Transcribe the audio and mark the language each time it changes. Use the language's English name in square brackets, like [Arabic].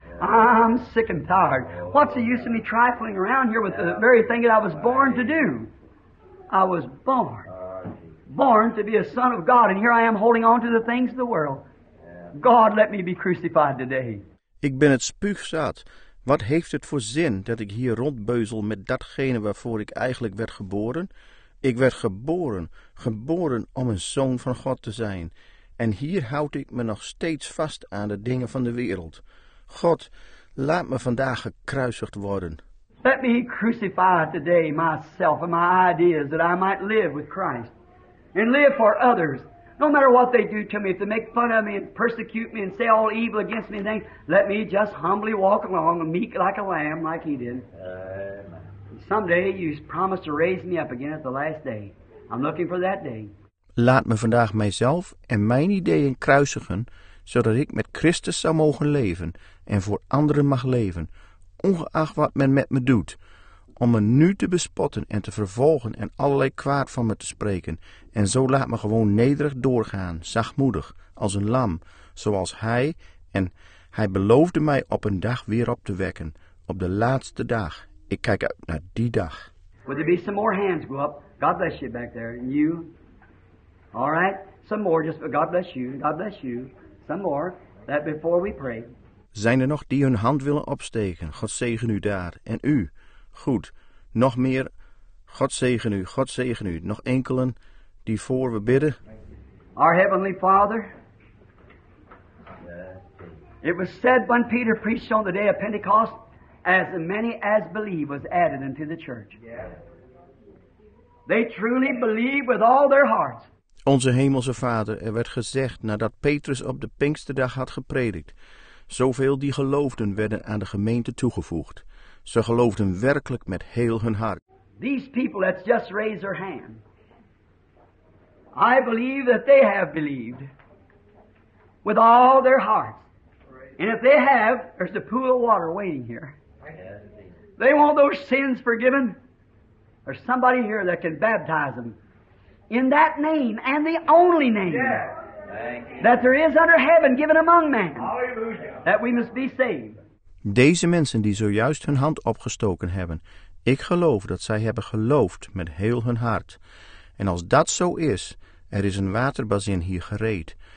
[English] I'm sick and tired. What's the use of me trifling around here with the very thing that I was born to do? I was born to be a son of God. And here I am holding on to the things of the world. God, let me be crucified today. [Dutch] Ik ben het spuugzat. Wat heeft het voor zin dat ik hier rondbeuzel met datgene waarvoor ik eigenlijk werd geboren? Ik werd geboren om een zoon van God te zijn. En hier houd ik me nog steeds vast aan de dingen van de wereld. God, laat me vandaag gekruisigd worden. [English] Let me crucify today myself and my ideas that I might live with Christ and live for others. No matter what they do to me, if they make fun of me and persecute me and say all evil against me and things, let me just humbly walk along, meek like a lamb, like he did. Amen. Someday you promise to raise me up again at the last day. I'm looking for that day. [Dutch] Laat me vandaag mijzelf en mijn ideeën kruisigen, zodat ik met Christus zou mogen leven en voor anderen mag leven, ongeacht wat men met me doet. Om me nu te bespotten en te vervolgen en allerlei kwaad van me te spreken. En zo laat me gewoon nederig doorgaan, zachtmoedig, als een lam, zoals hij. En hij beloofde mij op een dag weer op te wekken, op de laatste dag. Ik kijk uit naar die dag. [English] Would there be some more hands go up? God bless you back there. And you? All right. Some more, just God bless you. God bless you. Some more. That before we pray. [Dutch] Zijn er nog die hun hand willen opsteken? God zegen u daar. En u? Goed, nog meer. God zegen u. Nog enkelen die voor we bidden. [English] Our Heavenly Father, it was said when Peter preached on the day of Pentecost, as many as believe was added unto the church. They truly believe with all their hearts. [Dutch] Onze hemelse Vader, er werd gezegd nadat Petrus op de Pinksterdag had gepredikt. Zoveel die geloofden werden aan de gemeente toegevoegd. Ze geloofden werkelijk met heel hun hart. [English] These people that's just raised their hand. I believe that they have believed with all their heart. And if they have, there's a pool of water waiting here. They want those sins forgiven. There's somebody here that can baptize them in that name and the only name that there is under heaven given among men, that we must be saved. [Dutch] Deze mensen die zojuist hun hand opgestoken hebben, ik geloof dat zij hebben geloofd met heel hun hart. En als dat zo is, er is een waterbazin hier gereed.